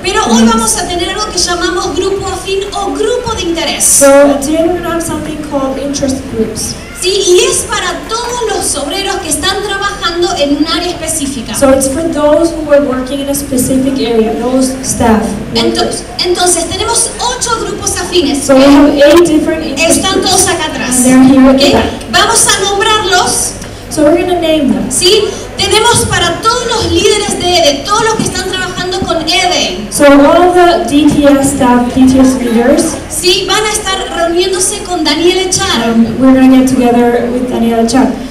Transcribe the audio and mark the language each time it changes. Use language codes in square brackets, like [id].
[es] Pero hoy vamos a tener algo que llamamos grupo afín o grupo de interés. [en] So today we're going to have something called interest groups. [es] Sí, y es para todos los obreros que están trabajando en un área específica. [en] So it's for those who are working in a specific area, those staff. [es] Entonces tenemos 8 grupos afines. [en] So we have 8 different interest groups. [es] Están todos acá atrás. [en] And they're here at the back. [es] Vamos a nombrarlos. [en] So we're going to name them. [es] Sí, tenemos para todos los líderes de EDE, todos los que están trabajando con EDE. [en] So all the DTS staff, DTS leaders. [es] Sí, van a estar reuniéndose con Daniel Echar. [en] We're going to get together with Daniel Echar.